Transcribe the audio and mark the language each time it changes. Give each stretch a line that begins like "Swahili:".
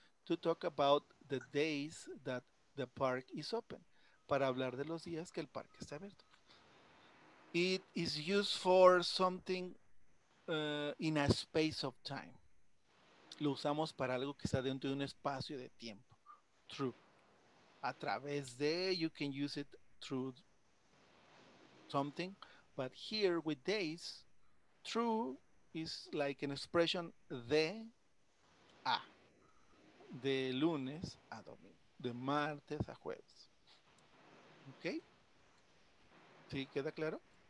English: to talk about the days that the park is open.
Spanish: Para hablar de los días que el parque está abierto.
English: It is used for something in a space of time.
Spanish: Lo usamos para algo que está dentro de un espacio de tiempo.
English: Through.
Spanish: A través de,
English: you can use it through something. But here with days, through is like an expression de a.
Spanish: De lunes a domingo. De martes a jueves. ¿Ok? ¿Sí queda claro?